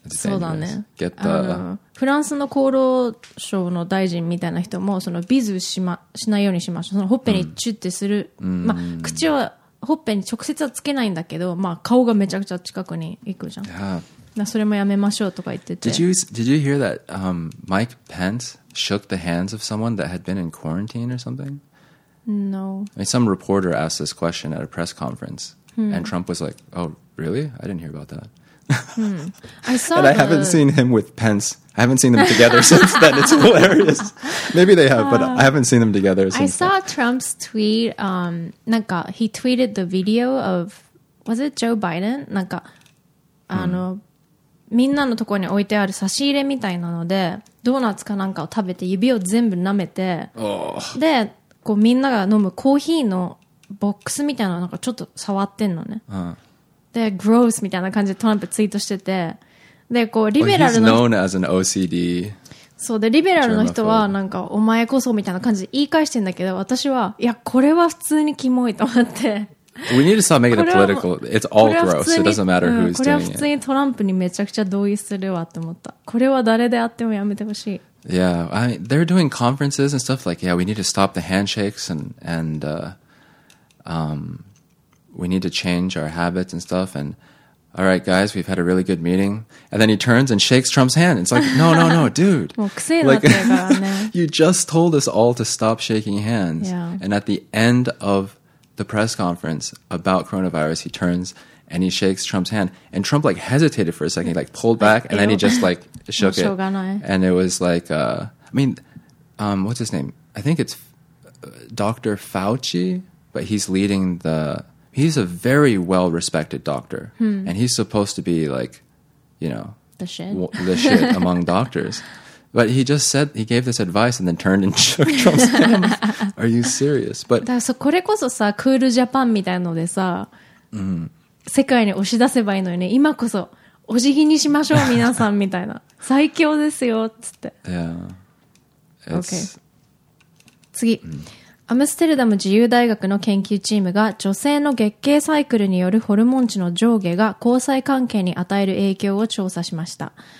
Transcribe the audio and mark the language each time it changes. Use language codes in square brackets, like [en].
[ja] そうだね。ゲッター。フランスの厚労省の大臣みたいな人も、そのビズしないようにしましょう。そのほっぺにチュッてする。まあ、口はほっぺに直接はつけないんだけど、まあ、顔がめちゃくちゃ近くに行くじゃん。 [en] Yeah. [ja] それもやめましょうとか言ってて。 [en] Did you hear that, Mike Pence shook the hands of someone that had been in quarantine or something? No. I mean, some reporter asked this question at a press conference. And Trump was like, oh, really? I didn't hear about that. I saw and I haven't seen him with Pence. I haven't seen them together since then. It's hilarious. Maybe they have, but I haven't seen them together since then. I saw Trump's tweet. なんか he tweeted the video of, was it Joe Biden? [ja] なんか、あの、みんなのところに置いてある差し入れみたいなので、ドーナツかなんかを食べて指を全部舐めて、で、こうみんなが飲むコーヒーのボックスみたいななんかちょっと触ってんのね。で、gross みたいな感じでトランプツイートしてて、でこうリベラルの、 [en] well, he's known as an OCD. [ja] そうで、リベラルの人はなんかお前こそみたいな感じで言い返してんだけど、私はいやこれは普通にキモいと思って。 [en] We need to stop making it political. It's all gross. It doesn't matter who's doing it. [ja] これは普通にトランプにめちゃくちゃ同意するわって思った。これは誰であってもやめてほしい。 [en] Yeah, I mean, they're doing conferences and stuff like, yeah, we need to stop the handshakes and we need to change our habits and stuff. And all right, guys, we've had a really good meeting. And then he turns and shakes Trump's hand. It's like, no, dude. Like, you just told us all to stop shaking hands. Yeah. And at the end of the press conference about coronavirus, he turns and he shakes Trump's hand. And Trump like hesitated for a second, he, like pulled back, and then he just like shook it. And it was like, what's his name? I think it's Dr. Fauci. But he's leading he's a very well respected doctor. And he's supposed to be like, you know, the shit among doctors. But he just said, he gave this advice and then turned and shook Trump's hand. Are you serious? But [ja] so, これこそさ、クールジャパンみたいのでさ、世界に押し出せばいいのよね。今こそ、お辞儀にしましょう、皆さんみたいな。最強ですよ、つって。 [en] Yeah. [ja] Okay. 次。アムステルダム自由大学の研究チームが女性の月経サイクルによるホルモン値の上下が交際関係に与える影響を調査しました。